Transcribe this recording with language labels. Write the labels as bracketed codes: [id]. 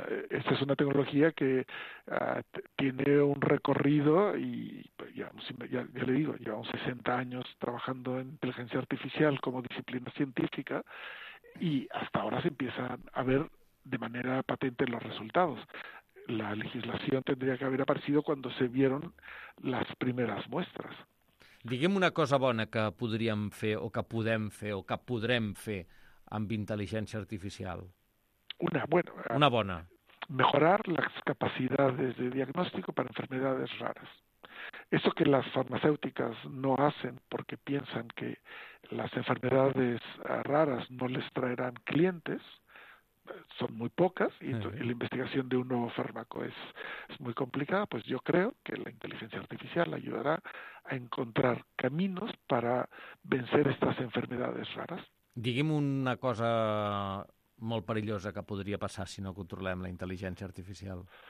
[es] Esta es una tecnología que tiene un recorrido y pues, ya le digo, llevamos 60 años trabajando en inteligencia artificial como disciplina científica y hasta ahora se empiezan a ver de manera patente los resultados. La legislación tendría que haber aparecido cuando se vieron las primeras muestras. [ca] Diguem una cosa bona que podríem fer o que podem fer o que podrem fer amb intel·ligència artificial. Una bona. [es] Mejorar las capacidades de diagnóstico para enfermedades raras. Eso que las farmacéuticas no hacen porque piensan que las enfermedades raras no les traerán clientes, son muy pocas y la investigación de un nuevo fármaco es muy complicada, pues yo creo que la inteligencia artificial ayudará a encontrar caminos para vencer estas enfermedades raras. [ca] Digue'm una cosa molt perillosa que podria passar si no controlem la intel·ligència artificial.